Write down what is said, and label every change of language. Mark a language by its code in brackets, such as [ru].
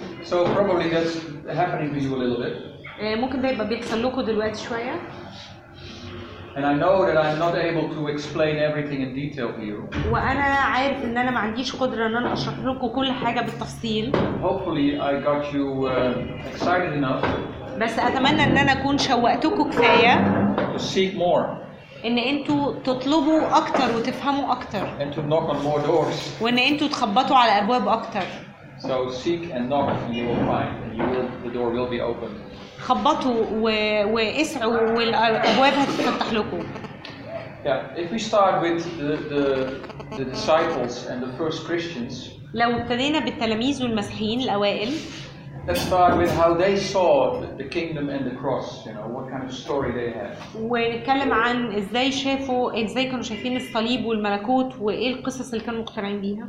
[en] So probably that's happening to you a little bit. [ar] ممكن ده يبقى بيحصل لكم دلوقتي شوية. [en] And I know that I'm not able to explain everything in detail to you. [ar] وأنا عارف إن أنا ما عنديش قدرة إن أنا أشرح لكم كل حاجة بالتفصيل. [en] Hopefully I got you excited enough. [ar] بس أتمنى إن أنا أكون شوقتكم كفاية. [en] To seek more. [ar] إن أنتوا تطلبوا أكتر وتفهموا أكتر. [en] And to knock on more doors. [ar] وإن أنتوا تخبطوا على أبواب أكتر. [en] So seek and knock and you will find and you will, the door will be open. [ar] خبطوا واسعوا والابواب هتتفتح لكم. [en] Yeah, if we start with the disciples and the first Christians. [ar] لو ابتدينا بالتلاميذ والمسيحيين الاوائل. [en] Let's start with how they saw the kingdom and the cross, you know, what kind of story they had. [ar] ونتكلم عن ازاي شافوا ازاي كانوا شايفين الصليب والملكوت وايه القصص اللي كانوا مقتنعين بيها.